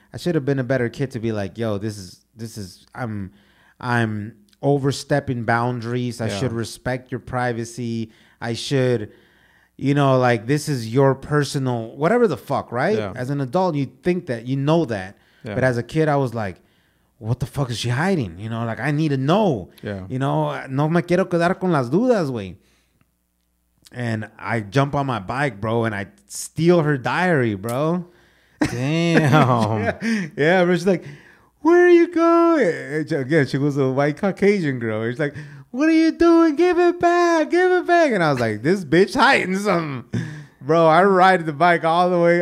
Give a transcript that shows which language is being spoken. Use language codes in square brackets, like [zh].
[en] I should have been a better kid to be like, yo, this is I'm overstepping boundaries. Yeah. I should respect your privacy. I should, you know, like, this is your personal whatever the fuck, right? Yeah. As an adult, you think that, you know that. Yeah. But as a kid, I was like, what the fuck is she hiding? You know, like, I need to know. Yeah. You know, [es] no me quiero quedar con las dudas, way. [en] And I jump on my bike, bro, and I steal her diary, bro. Damn. Yeah, but she's like, where are you going? And again, she was a white Caucasian girl. She's like, what are you doing? Give it back. And I was like, this bitch hiding something. Bro, I ride the bike all the way.